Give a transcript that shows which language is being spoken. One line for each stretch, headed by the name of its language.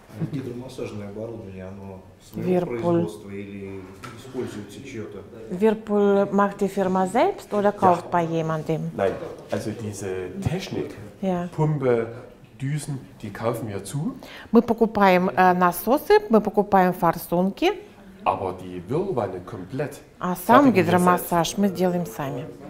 Russian: Гидромассажное оборудование, оно своего производства или используется чье-то?
German: Whirlpool macht die Firma selbst oder kauft bei jemandem? Nein, also diese Technik, Pumpe, Düsen, die kaufen wir zu.
Russian: Мы покупаем насосы, мы покупаем форсунки.
German: Aber die Whirlwanne komplett.
Russian: А сам гидромассаж мы делаем сами.